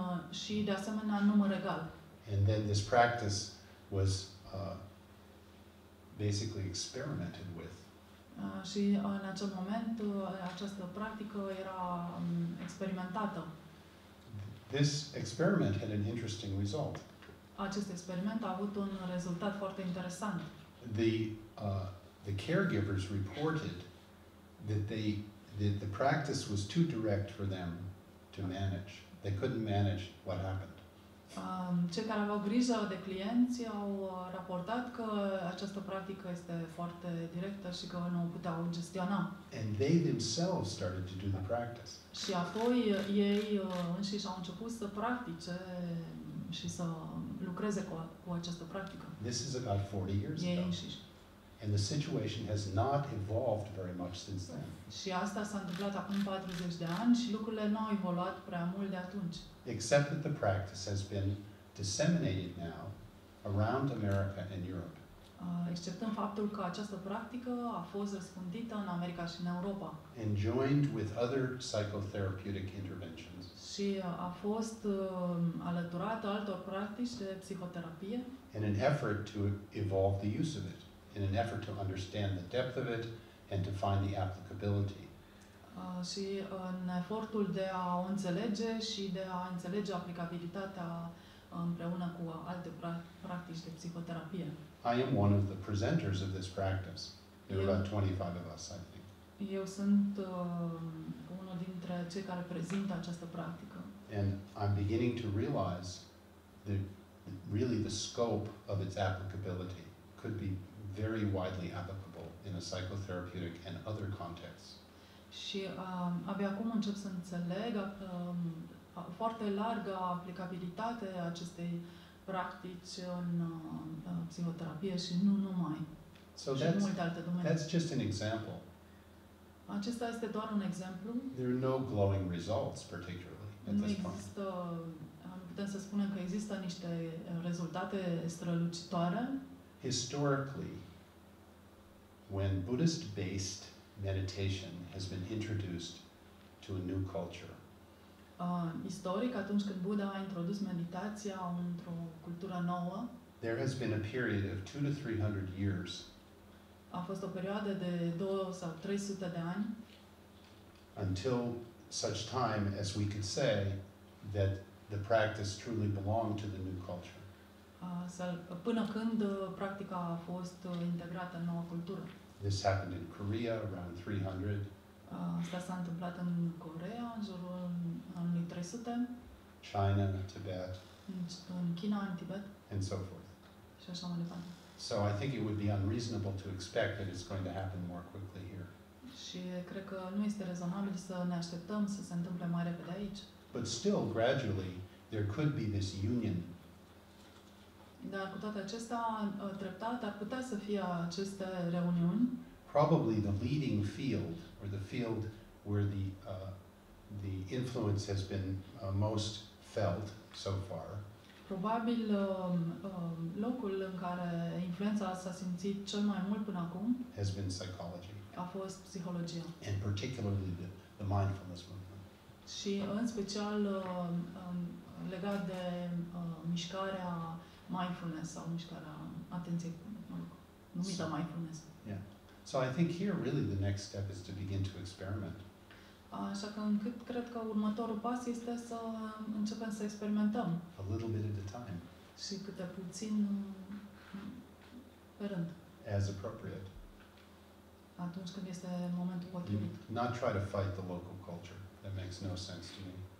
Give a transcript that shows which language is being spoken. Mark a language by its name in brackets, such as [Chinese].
[Romanian] Și de asemenea în număr egal. [English] And then this practice was basically experimented with. [Romanian] Și în acel moment această practică era experimentată. [English] This experiment had an interesting result. [Romanian] Acest experiment a avut un rezultat foarte interesant. [English] The caregivers reported that the practice was too direct for them to manage. They couldn't manage what happened. [Romanian] Cei care aveau grijă de clienți au raportat că această practică este foarte directă și că nu o puteau gestiona. [English] And they themselves started to do the practice. [Romanian] Și apoi ei înșiși au început să practice și să lucreze cu această practică. [English] This is about 40 years ago. [Romanian] Înșiși. [English] And the situation has not evolved very much since then. [Romanian] Și asta s-a întâmplat acum 40 de ani și lucrurile nu au evoluat prea mult de atunci. [English] Except that the practice has been disseminated now around America and Europe. [Romanian] Exceptăm faptul că această practică a fost răspândită în America și în Europa. [English] And joined with other psychotherapeutic interventions. [Romanian] Și a fost alăturată altor practici de psihoterapie. [English] In an effort to evolve the use of it, in an effort to understand the depth of it and to find the applicability. [Romanian] Și în efortul de a o înțelege și de a înțelege aplicabilitatea împreună cu alte practici de psihoterapie. [English] I am one of the presenters of this practice. There are about 25 of us, I think. [Romanian] Eu sunt unul dintre cei care prezintă această practică. [English] And I'm beginning to realize the scope of its applicability could be very widely applicable in a psychotherapeutic and other contexts. [Romanian] Și abia acum încep să înțeleg foarte largă aplicabilitate acestei practici în psihoterapie și nu numai. [English] So [Romanian] și [English] that's, [Romanian] în multe alte domenii. [English] That's just an example. [Romanian] Acesta este doar un exemplu. [English] There are no glowing results particularly at this point. [Romanian] Nu există, putem să spunem că există niște rezultate strălucitoare. [English] Historically, when Buddhist-based meditation has been introduced to a new culture. [Romanian] Istoric, atunci când Buddha a introdus meditația într-o cultură nouă, [English] there has been a period of 200 to 300 years. [Romanian] A fost o perioadă de 200 sau 300 de ani. [English] Until such time as we could say that the practice truly belonged to the new culture. [Romanian] Până când practica a fost integrată în noua cultură. [English] This happened in Korea around 300. [Romanian] Asta s-a întâmplat în Corea în jurul anului 300. [English] China, Tibet. [Romanian] În China, în Tibet. [English] And so forth. [Romanian] Și așa mai departe. [English] So I think it would be unreasonable to expect that it's going to happen more quickly here. [Romanian] Și cred că nu este rezonabil să ne așteptăm să se întâmple mai repede aici. [English] But still, gradually, there could be this union. [Romanian] Dar cu toate acestea, treptat, ar putea să fie aceste reuniuni. [English] Probably the leading field, or the field where the influence has been most felt so far. [Romanian] Probabil locul în care influența s-a simțit cel mai mult până acum [English] has been psychology. [Romanian] A fost psihologia. [English] And particularly the mindfulness movement. [Romanian] Și în special legat de mișcarea mindfulness sau mișcarea atenției, mă rog, numită mindfulness. [English] Yeah. So I think here really the next step is to begin to experiment. [Romanian] Așa că încât cred că următorul pas este să începem să experimentăm. [English] A little bit at a time. [Romanian] Și câte puțin pe rând. [English] As appropriate. [Romanian] Atunci când este momentul potrivit. [English] Not try to fight the local culture. That makes no sense to me.